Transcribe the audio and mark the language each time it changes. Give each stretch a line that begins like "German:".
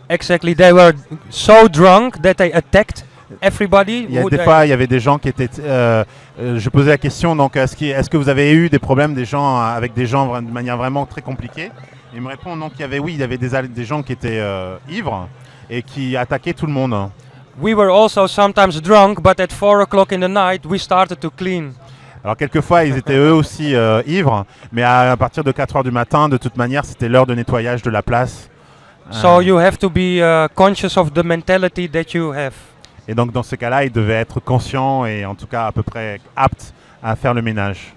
English: Exactly, they were so drunk that they attacked everybody.
French: Il y avait des gens qui étaient. Je posais la question. Donc, est-ce que vous avez eu des problèmes avec des gens de manière vraiment très compliquée? Il me répond donc il y avait des gens qui étaient ivres et qui attaquaient tout le monde.
English: We were also sometimes drunk, but at 4 o'clock in the night, we started to clean.
French: Alors quelquefois ils étaient eux aussi ivres, mais à partir de 4 heures du matin, de toute manière, c'était l'heure de nettoyage de la place.
English: So you have to be conscious of the mentality that you have.
French: Et donc dans ce cas-là, ils devaient être conscients et en tout cas à peu près aptes à faire le ménage.